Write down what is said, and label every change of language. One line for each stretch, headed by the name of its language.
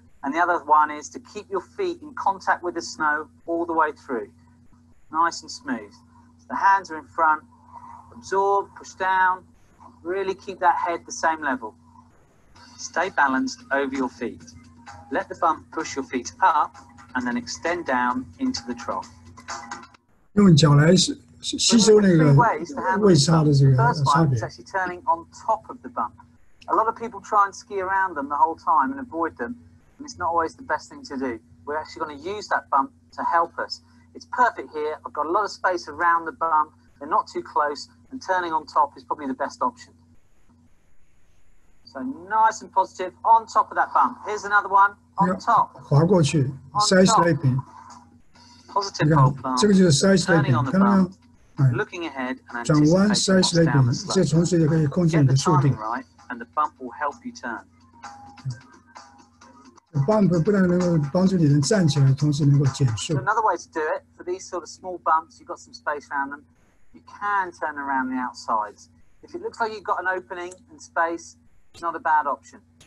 English: And the other one is to keep your feet in contact with the snow all the way through. Nice and smooth. The hands are in front, absorb, push down, really keep that head the same level. Stay balanced over your feet. Let the bump push your feet up and then extend down into the trough.
Chinese: 用脚来吸收那个位差的这个差别。
English: The first one is actually turning on top of the bump. A lot of people try and ski around them the whole time and avoid them, and it's not always the best thing to do. We're actually going to use that bump to help us. It's perfect here. I've got a lot of space around the bump. They're not too close, and turning on top is probably the best option. So nice and positive on top of that bump. Here's another one on top.
Chinese: 滑过去 ，side sliding.
English: Positive hold plump.
Chinese: 这个就是 side sliding. 看到吗？
English: Looking ahead and
Chinese: 转弯 side sliding. 这同时也可以控制你的速度。
English: And the bump will help you turn.
Chinese: Bump 不但能够帮助你能站起来，同时能够减速。
English: Another way to do it for these sort of small bumps, you've got some space around them. You can turn around the outsides. If it looks like you've got an opening and space, not a bad option.